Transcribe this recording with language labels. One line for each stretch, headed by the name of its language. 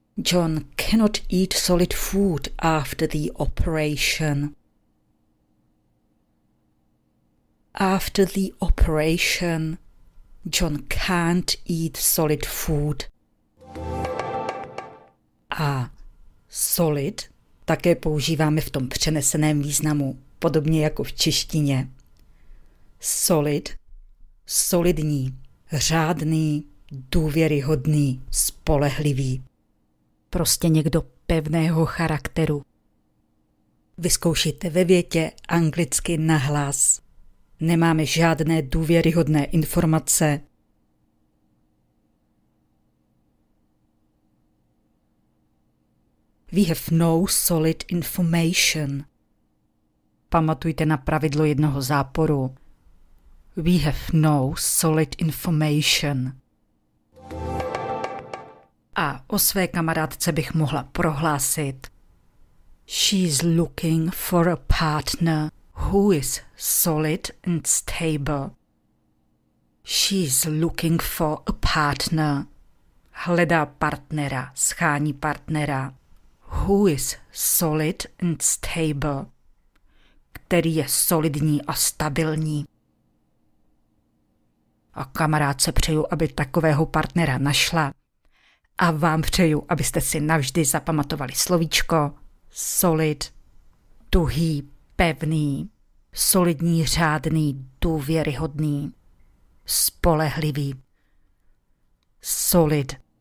English: John cannot eat solid food after the operation. After the operation, John can't eat solid food.
Czech: A solid také používáme v tom přeneseném významu, podobně jako v češtině. Solid, solidní, řádný, důvěryhodný, spolehlivý. Prostě někdo pevného charakteru. Vyzkoušejte ve větě anglicky nahlas. Nemáme žádné důvěryhodné informace.
English: We have no solid information.
Czech: Pamatujte na pravidlo jednoho záporu.
English: We have no solid information.
Czech: A o své kamarádce bych mohla prohlásit.
English: She's looking for a partner who is solid and stable. She's looking for a partner.
Czech: Hledá partnera, schání partnera.
English: Who is solid and stable?
Czech: Který je solidní a stabilní. A kamarádce přeju, aby takového partnera našla. A vám přeju, abyste si navždy zapamatovali slovíčko solid, tuhý, pevný, solidní, řádný, důvěryhodný, spolehlivý. Solid.